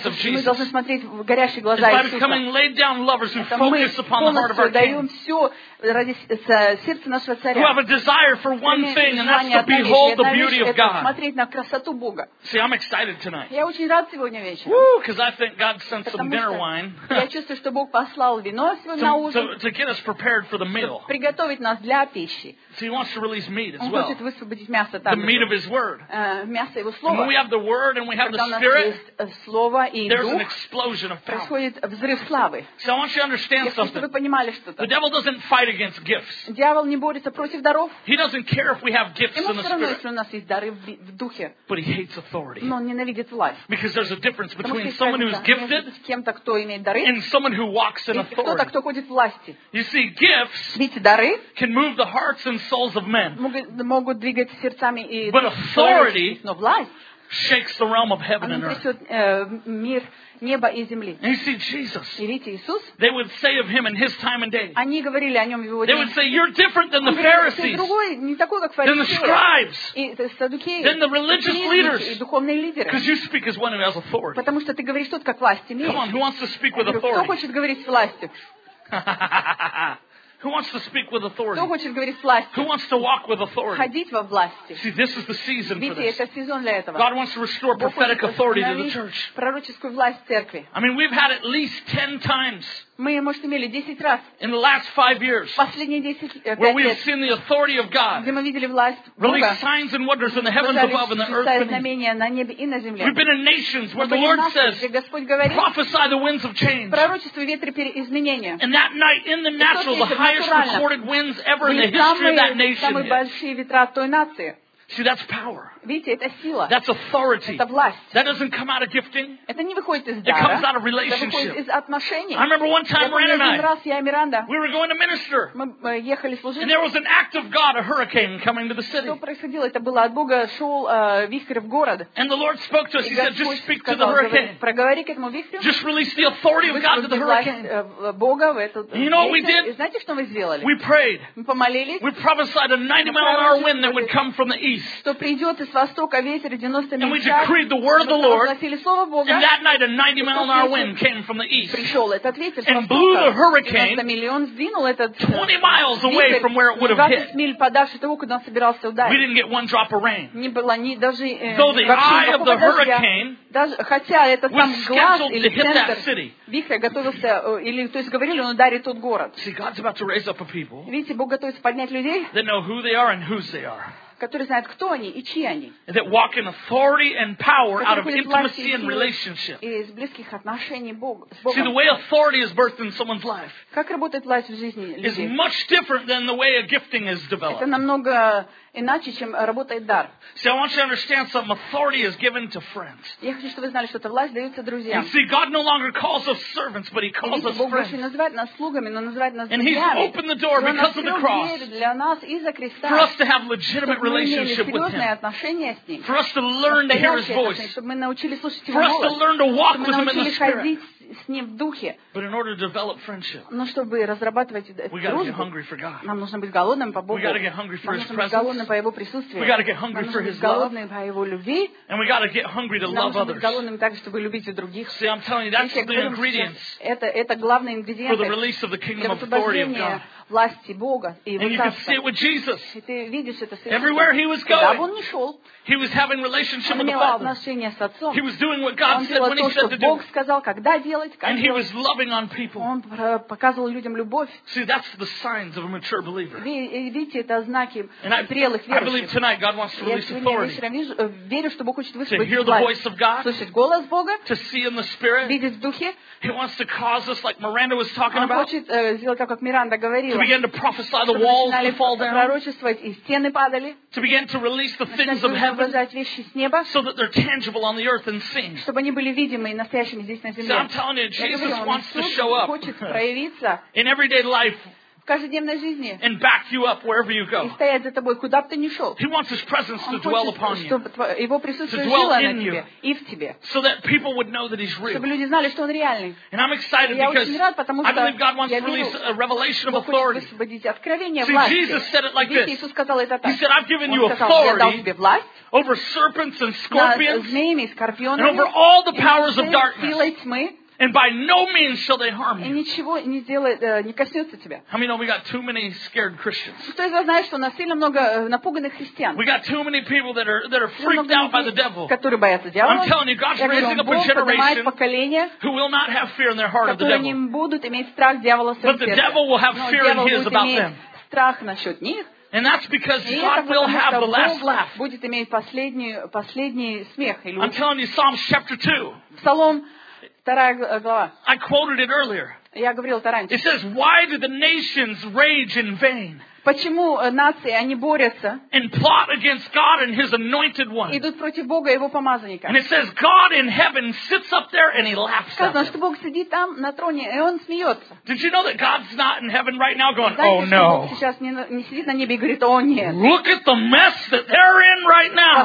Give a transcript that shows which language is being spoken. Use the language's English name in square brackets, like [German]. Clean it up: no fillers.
[Russian] мы должны смотреть в горящие глаза Иисуса. Это мы полностью даем все ради сердца нашего царя. [English] We have a desire for one thing, and that's to behold the beauty of God. [Russian] Смотреть на красоту Бога. [English] See, I'm excited tonight. [Russian] Я очень рад сегодня вечером. [English] Woo, because I think God sent some dinner wine. [Russian] Я чувствую, что Бог послал вино свое на ужин. [English] To get us prepared for the meal. [Russian] Приготовить нас для пищи. [English] So he wants to release meat as well. [Russian] Он хочет высвободить мясо там. [English] The meat of his word. [Russian] Мясо его слова. [English] When we have the word and we have the spirit. [Russian] Слово и дух. [English] There's an explosion of power. [Russian] Происходит взрыв славы. [English] So I want you to understand something. [Russian] Я хочу, чтобы вы понимали что-то. [English] The devil doesn't fight against gifts. [Russian] Дьявол не борется против даров. [English] He doesn't care if we have gifts in the spirit. [Russian] Ему все равно, если у нас есть дары в духе. [English] But he hates authority. [Russian] Но он ненавидит власть. [English] Because there's a difference between someone who's gifted [Russian] кем-то, кто имеет дары, [English] and someone who walks in authority. [Russian] И кто-то, кто ходит в власти. [English] You see, gifts [Russian] видите, дары [English] can move the hearts and souls of men. [Russian] Могут двигать сердцами и [English] but authority [Russian] но власть [English] shakes the realm of heaven and earth. [Russian] Мир неба и земли. [English] And you see Jesus. [Russian] И видите Иисус. [English] They would say of him in his time and day. [Russian] Они говорили о нем в его день. [English] They would say you're different than the Pharisees. [Russian] Ты другой, не такой как фарисеи. [English] Than the scribes. [Russian] И садукеи. [English] Than the religious leaders. [Russian] И духовные лидеры. [English] Because you speak as one who has authority. [Russian] Потому что ты говоришь тот, как власть имеет. [English] Come on, who wants to speak with authority? [Russian] Кто хочет говорить с властью? [English] Who wants to speak with authority? [Russian] Кто хочет говорить с властью? [English] Who wants to walk with authority? [Russian] Ходить во власти. [English] See, this is the season for this. [Russian] Видите, это сезон для этого. [English] God wants to restore prophetic authority to the church. [Russian] Пророческую власть церкви. [English] I mean, we've had at least 10 times. [Russian] Мы, может, имели 10 раз. [English] In the last 5 years. [Russian] Последние 10 лет. [English] Where we've seen the authority of God. [Russian] Где мы видели власть Бога. [English] Release signs and wonders in the heavens above and the earth beneath. [Russian] Знамения на небе и на земле. [English] We've been in nations where the Lord says, prophesy the winds of change. [Russian] Пророчествуй ветры изменения. [English] And that night in the natural, the highest recorded winds ever in the history of that nation. [Russian] Самые большие ветра той нации. [English] See, that's power. [Russian] Видите, это сила. [English] That's authority. [Russian] Это власть. [English] That doesn't come out of gifting. [Russian] Это не выходит из дара. [English] It comes out of relationship. [Russian] Это выходит из отношений. [English] I remember one time [Russian] Миранда, [English] we were going to minister. [Russian] Мы ехали служить. [English] And there was an act of God, a hurricane coming to the city. [Russian] Что происходило? Это было от Бога, шел вихрь в город. [English] And the Lord spoke to us. He said, just speak [Russian] сказал, [English] to the hurricane. [Russian] Проговори к этому вихрю. [English] Just release the authority of God to the hurricane. [Russian] Бога в этот вихрь. [English] You know what we did? [Russian] И знаете, что мы сделали? [English] We prayed. [Russian] Мы помолились. [English] We prophesied a 90 mile an hour wind that would come from the east. [Russian] Что придет из востока ветер 90 миль. [English] And we decreed the word of the Lord. [Russian] Слово Бога. [English] And that night a 90 mile an hour wind came from the east. [Russian] Пришел этот ветер. [English] And blew the hurricane. 20 miles away from where it would have hit. [Russian] Миль подальше того, куда он собирался ударить. [English] We didn't get one drop of rain. [Russian] Не было ни даже. [English] So the eye of the hurricane. [Russian] Даже хотя это сам глаз или центр вихря готовился или то есть говорили, он ударит тот город. [English] See, God's about to raise up a people. [Russian] Видите, Бог готовится поднять людей. [English] That know who they are and whose they are. [Russian] Которые знают, кто они и чьи они. [English] That walk in authority and power out of intimacy and relationship. [Russian] Из близких отношений с Богом. [English] See, the way authority is birthed in someone's life. [Russian] Как работает власть в жизни людей? [English] Is much different than the way a gifting is developed. [Russian] Это намного иначе, чем работает дар. [English] See, I want you to understand something. Authority is given to friends. [Russian] Я хочу, чтобы вы знали, что эта власть дается друзьям. [English] You see, God no longer calls us servants, but He calls us friends. [Russian] Бог больше не называет нас слугами, но называет нас друзьями. [English] And He's opened the door because of the cross. [Russian] Для нас из-за креста. [English] For us to have legitimate relationship with Him. For us to learn to hear His voice. [Russian] Чтобы мы научились слушать Его голос. [English] For us to learn to walk with Him in the Spirit. [Russian] С ним в духе. [English] But in order to develop friendship, [Russian] но чтобы разрабатывать дружбу, нам нужно быть голодным по Богу. [English] We gotta get hungry for [Russian] нам нужно быть голодным по Его присутствию. [English] We gotta get hungry [Russian] нам нужно [English] for [Russian] быть голодным [English] love. [Russian] По Его любви. [English] And we gotta get hungry to [Russian] нам [English] love [Russian] нужно [English] others. [Russian] Быть голодным так, чтобы любить и других. [English] See, I'm telling you, that's the ingredients. [Russian] Это главный ингредиент [English] for the release of the kingdom [Russian] для освобождения власти Бога и Его царства. [English] And you can see it with Jesus. [Russian] И ты видишь это с Иисусом. [English] Everywhere he was going, [Russian] куда бы он ни шел, [English] he was having relationship [Russian] он [English] with [Russian] имел отношения с Отцом. [English] He was doing what God [Russian] он [English] said when [Russian] то, [English] he said [Russian] Бог [English] to do. [Russian] Сказал, когда делать, [English] and he was loving on people. [Russian] Он показывал людям любовь. [English] See, that's the signs of a mature believer. [Russian] Видите, это знаки зрелых верующих. Я верю, что Бог хочет высвободить власть. Слышать голос Бога. [English] To see in the spirit. [Russian] Видеть в духе. [English] He wants to cause us like Miranda was talking about. [Russian] Он хочет сделать так, как Миранда говорила. [English] To begin to prophesy the walls to fall down. [Russian] Пророчествовать и стены падали. [English] To begin to release the things of heaven. So that they're tangible on the earth and seen. [Russian] Чтобы они были видимы и настоящими здесь на земле. [English] Jesus wants to show up in everyday life. [Russian] В каждодневной жизни. [English] And back you up wherever you go. [Russian] И стоять за тобой, куда бы ты ни шел. [English] He wants his presence [Russian] он [English] to dwell upon you. [Russian] Чтобы его присутствие жило на тебе и в тебе. [English] So that people would know that he's real. [Russian] Чтобы люди знали, что он реальный. [English] And I'm excited [Russian] я [English] because [Russian] очень рад, потому что [English] I believe God wants to release a revelation of authority. [Russian] Бог хочет высвободить откровение [English] See, [Russian] власти. [English] Jesus said it like this. [Russian] Видите, Иисус сказал это так. [English] He said, I've given [Russian] он [English] you [Russian] сказал, [English] authority [Russian] я дал тебе власть [English] over serpents and scorpions [Russian] над змеями и скорпионами [English] and over all the powers [Russian] и [English] of darkness. [Russian] Силой тьмы. [English] And by no means shall they harm you. [Russian] И ничего не сделает, не коснется тебя. [English] How many know we got too many scared Christians? [Russian] Кто из вас знает, что у нас сильно много напуганных христиан? [English] We got too many people that are freaked out by the devil. [Russian] Которые боятся дьявола. [English] I'm telling you, God's raising up a generation who will not have fear in their heart of the devil. [Russian] Которые не будут иметь страх дьявола в своем сердце. [English] But the devil will have fear in his about them. [Russian] Страх насчет них. [English] And that's because God will have the last laugh. [Russian] Будет иметь последний смех. [English] I'm telling you, Psalms chapter 2. [Russian] Псалом вторая глава. [English] I quoted it earlier. [Russian] Я говорил это раньше. [English] It says, why do the nations rage in vain? [Russian] Почему нации, они борются? [English] And plot against God and His anointed one. [Russian] Идут против Бога и Его помазанника. [English] And it says, God in heaven sits up there and He laughs. [Russian] Сказано, что Бог сидит там на троне и Он смеется. [English] Did you know that God's not in heaven right now going, oh no? [Russian] Знаете, что Бог сейчас не сидит на небе и говорит, о нет. [English] Look at the mess that they're in right now.